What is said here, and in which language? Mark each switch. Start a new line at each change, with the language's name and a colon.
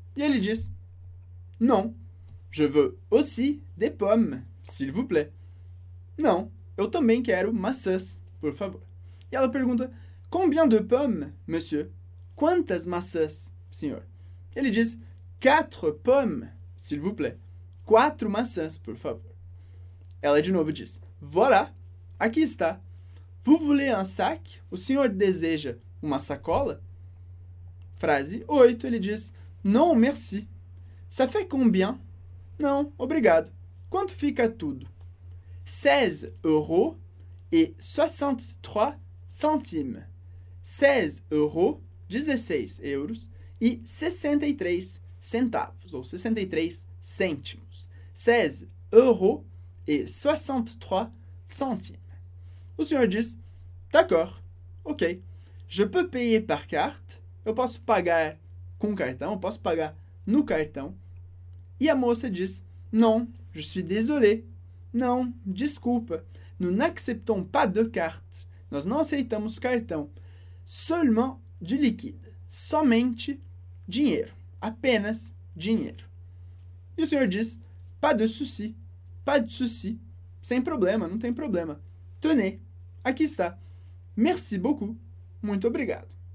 Portuguese: E ele diz:
French: non. Je veux aussi des pommes, s'il vous plaît.
Portuguese: Não, eu também quero maçãs, por favor. E ela pergunta:
French: Combien de pommes, monsieur?
Portuguese: Quantas maçãs, senhor? Ele diz:
French: Quatre pommes, s'il vous plaît.
Portuguese: Quatro maçãs, por favor. Ela de novo diz: Voilà, aqui está.
French: Vous voulez un sac?
Portuguese: O senhor deseja uma sacola? Frase 8, ele diz:
French: Non, merci. Ça fait combien?
Portuguese: Não, obrigado. Quanto fica tudo?
French: 16 euros et 63 centimes.
Portuguese: 16 euros, 16 euros e 63 centavos, ou 63 cêntimos.
French: 16 euros et 63 centimes.
Portuguese: O senhor diz:
French: D'accord, ok. Je peux payer par carte.
Portuguese: Eu posso pagar com cartão, eu posso pagar no cartão. E a moça diz:
French: Non, je suis désolé.
Portuguese: Não, desculpa.
French: Nous n'acceptons pas de carte.
Portuguese: Nós não aceitamos cartão.
French: Seulement du liquide.
Portuguese: Somente dinheiro. Apenas dinheiro. E o senhor diz:
French: Pas de souci. Pas de souci.
Portuguese: Sem problema, não tem problema. Tenez, aqui está.
French: Merci beaucoup.
Portuguese: Muito obrigado.